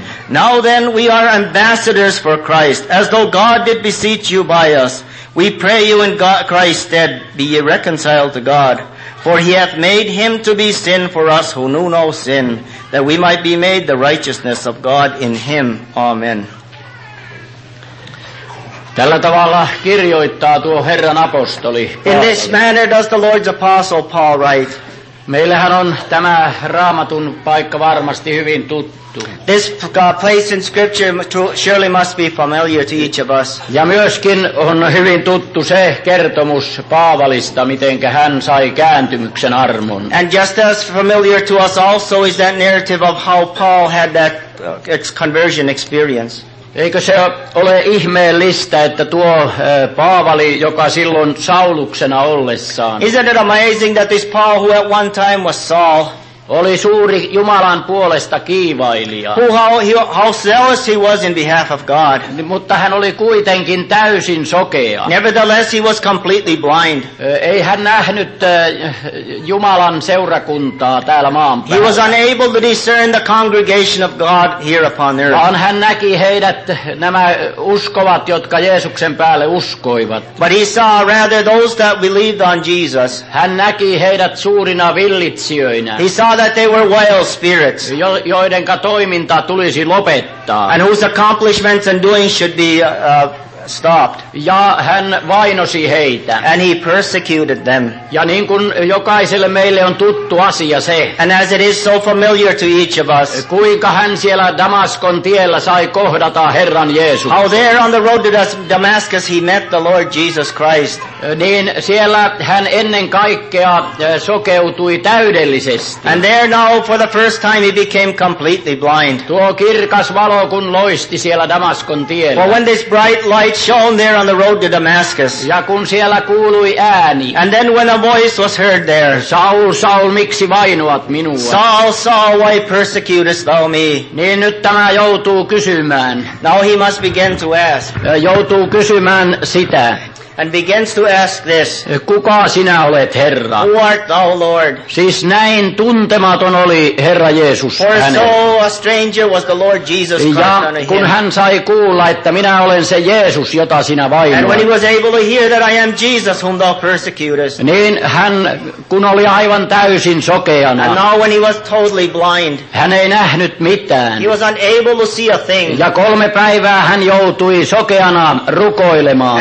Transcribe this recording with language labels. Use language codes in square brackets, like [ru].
[en] Now then we are ambassadors for Christ, as though God did beseech you by us. We pray you in God, Christ's stead, be ye reconciled to God. For he hath made him to be sin for us who knew no sin, that we might be made the righteousness of God in him. Amen. [fi] Tällä tavalla kirjoittaa tuo Herran apostoli. [en] In this manner does the Lord's apostle Paul write. [fi] Meillähän on tämä Raamatun paikka varmasti hyvin tuttu. [en] This place in scripture surely must be familiar to each of us. [fi] Ja myöskin on hyvin tuttu se kertomus Paavalista, mitenkä hän sai kääntymyksen armon. [en] And just as familiar to us also is that narrative of how Paul had that conversion experience. [fi] Eikö se ole ihmeellistä, että tuo Paavali, joka silloin Sauluksena ollessaan, [en] isn't it amazing that this Paul, who at one time was Saul, [fi] oli suuri Jumalan puolesta kiivailija. [en] How zealous he was in behalf of God. [fi] Mutta hän oli kuitenkin täysin sokea. [en] Nevertheless, he was completely blind. [fi] Ei hän nähnyt Jumalan seurakuntaa täällä maan päällä. [en] He was unable to discern the congregation of God here upon earth. [fi] Vaan hän näki heidät, nämä uskovat, jotka Jeesuksen päälle uskoivat. [en] But he saw rather those that believed on Jesus. [fi] Hän näki heidät suurina villitsijöinä. [en] Saw that they were wild spirits, [fi] joidenka toiminta tulisi lopettaa, [en] and whose accomplishments and doings should be stopped. [fi] Ja hän vainosi heitä, [en] and he persecuted them. [fi] Ja niin kuin jokaiselle meille on tuttu asia se, [en] and as it is so familiar to each of us, [fi] kuinka hän siellä Damaskon tiellä sai kohdata Herran Jeesuksen. [en] How there on the road to Damascus he met the Lord Jesus Christ. [fi] Niin siellä hän ennen kaikkea sokeutui täydellisesti. [en] And there now for the first time he became completely blind. [fi] Tuo kirkas valo kun loisti siellä Damaskon tiellä. [en] Well, when this bright light shone there on the road to Damascus. [fi] Ja kun siellä kuului ääni. [en] And then when a voice was heard there. [fi] Saul, Saul, miksi vainoat minua? [en] Saul, Saul, why persecutest thou me? [fi] Niin nyt tämä joutuu kysymään. [en] Now he must begin to ask. [fi] Joutuu kysymään sitä. [en] And begins to ask this. [fi] Kuka sinä olet, Herra? [en] Who art thou, Lord? [fi] Siis näin tuntematon oli Herra Jeesus hänelle. [en] For so a stranger was the Lord Jesus Christ. [fi] Ja kun hän sai kuulla, että minä olen se Jeesus, jota sinä vainoit. [en] And when he was able to hear that I am Jesus whom thou persecutest. [fi] Niin hän, kun oli aivan täysin sokeana. [en] And now when he was totally blind. [fi] Hän ei nähnyt mitään. [en] He was unable to see a thing. [fi] Ja kolme päivää hän joutui sokeana rukoilemaan.